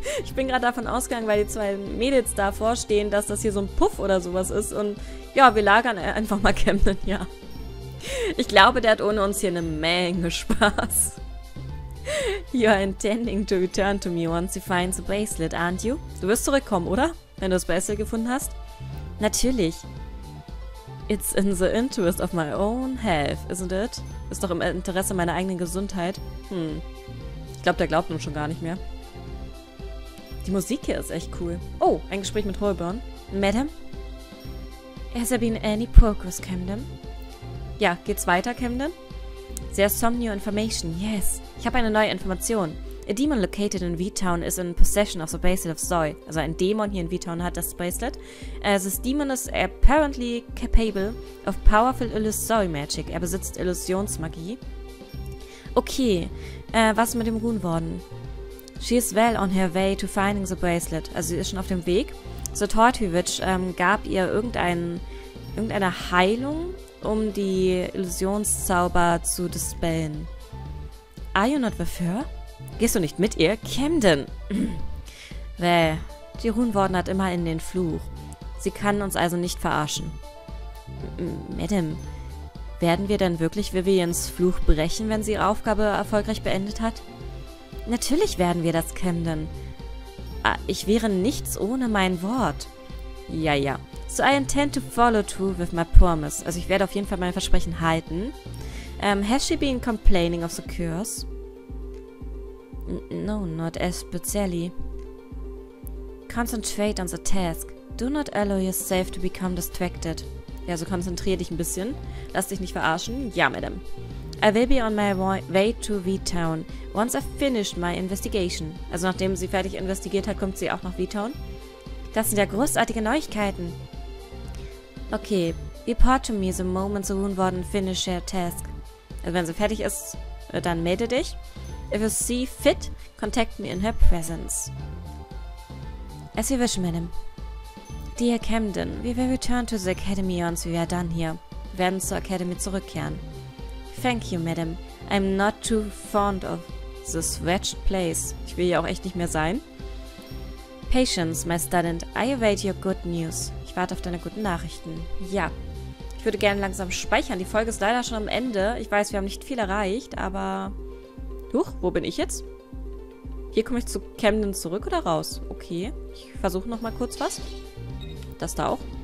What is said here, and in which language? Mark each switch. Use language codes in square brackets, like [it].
[de] Ich bin gerade davon ausgegangen, weil die zwei Mädels davor stehen, dass das hier so ein Puff oder sowas ist. Und ja, wir lagern einfach mal Camden, ja. Ich glaube, der hat ohne uns hier eine Menge Spaß. [en] You are intending to return to me once you find the bracelet, aren't you? [de] Du wirst zurückkommen, oder? Wenn du das Bracelet gefunden hast? Natürlich. [en] It's in the interest of my own health, isn't it? [de] Ist doch im Interesse meiner eigenen Gesundheit. Hm. Ich glaube, der glaubt nun schon gar nicht mehr. Die Musik hier ist echt cool. Oh, ein Gespräch mit Holborn. Madam? [en] Has there been any progress, Camden? [de] Ja, geht's weiter, Camden? [en] There's some new information, yes. [de] Ich habe eine neue Information. [en] A demon located in V-Town is in possession of the bracelet of Zoe. [de] Also ein Dämon hier in V-Town hat das Bracelet. [en] This demon is apparently capable of powerful illusory magic. [de] Er besitzt Illusionsmagie. Okay, was ist mit dem Runenworden? [en] She is well on her way to finding the bracelet. [de] Also sie ist schon auf dem Weg. So Tortuvich gab ihr irgendeine Heilung, um die Illusionszauber zu dispellen. [en] Are you not with her? [de] Gehst du nicht mit ihr? Camden! Well, die Runenworden hat immer in den Fluch. Sie kann uns also nicht verarschen. Madam, werden wir denn wirklich Vivians Fluch brechen, wenn sie ihre Aufgabe erfolgreich beendet hat? Natürlich werden wir das, Camden. Ich wäre nichts ohne mein Wort. Ja, ja. [en] So I intend to follow through with my promise. [de] Also ich werde auf jeden Fall mein Versprechen halten. [en] Has she been complaining of the curse? No, not especially. Concentrate on the task. Do not allow yourself to become distracted. [de] Ja, also konzentriere dich ein bisschen. Lass dich nicht verarschen. Ja, Madam. [en] I will be on my way to V-Town once I've finished my investigation. [de] Also nachdem sie fertig investigiert hat, kommt sie auch nach V-Town. Das sind ja großartige Neuigkeiten. [en] Okay, report to me the moment the Runenworden finish her task. [de] Also wenn sie fertig ist, dann melde dich. [en] If you see fit, contact me in her presence. As you wish, Madam. Dear Camden, we will return to the Academy once we are done here. [de] Wir werden zur Academy zurückkehren. [en] Thank you, Madam. I'm not too fond of this wretched place. [de] Ich will hier auch echt nicht mehr sein. [en] Patience, my student. I await your good news. [de] Ich warte auf deine guten Nachrichten. Ja. Ich würde gerne langsam speichern. Die Folge ist leider schon am Ende. Ich weiß, wir haben nicht viel erreicht, aber... Huch, wo bin ich jetzt? Hier komme ich zu Camden zurück oder raus? Okay, ich versuche noch mal kurz was. Das da auch.